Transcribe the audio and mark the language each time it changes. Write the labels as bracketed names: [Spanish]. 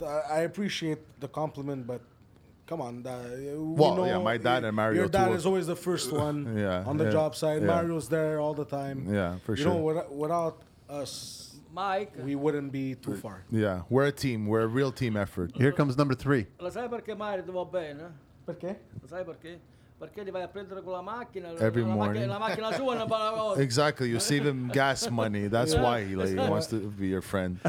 [English] I appreciate the compliment, but come on. My dad and Mario. Your dad too. Is always the first one on the job site. Yeah. Mario's there all the time. Yeah, for you sure. You know, without us, Mike, we wouldn't be too far. Yeah, we're a team. We're a real team effort. Here comes number three. [Italian] Lo sai perché Mario ti va bene? Perché? Lo sai perché? Perché ti vai a prendere con la macchina. [English] Every morning. [Italian] La macchina sua non va la volta. [English] Exactly. You save him gas money. That's why he wants to be your friend.